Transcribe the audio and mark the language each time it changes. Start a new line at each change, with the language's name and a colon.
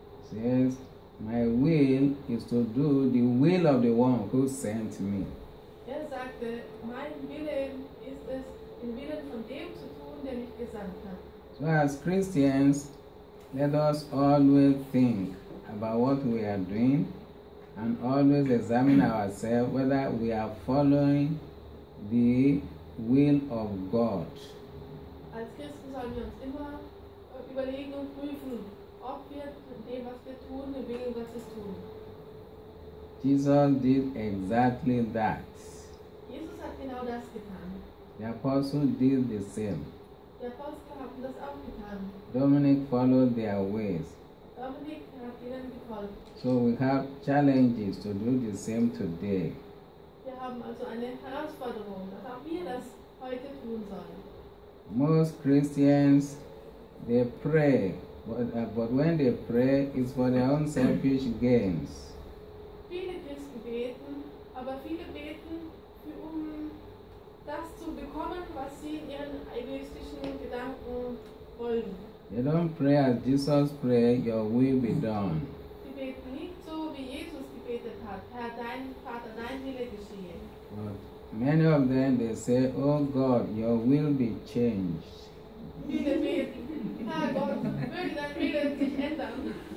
English: Says, my will is to do the will of the one who sent me.
German: Er sagte, mein Wille ist es, den Willen von dem zu tun, der mich gesandt hat.
English: So as Christians, let us always think about what we are doing and always examine ourselves whether we are following the will of God.
German: Als Christen sollen wir uns immer überlegen und prüfen, ob wir dem, was wir tun, den Willen Gottes tun.
English: Jesus did exactly that.
German: Jesus hat genau das getan.
English: The apostles did the same.
German: Die Apostel haben das auch getan.
English: Dominic followed their ways.
German: Dominic hat ihnen gefolgt.
English: So we have challenges to do the same today.
German: Wir haben also eine Herausforderung, dass auch wir das heute tun sollen.
English: Most Christians, they pray, but when they pray, it's for their own selfish gains.
German: Viele Christen beten, aber viele beten für, um das zu bekommen, was sie in ihren egoistischen Gedanken wollen.
English: You don't pray as Jesus prayed, your will be done.
German: Sie beten nicht so, wie Jesus gebetet hat. Herr, dein Vater, dein Wille geschehe.
English: But many of them, they say, oh God, your will be changed.
German: Viele beten, Herr Gott, möge dein Wille sich ändern.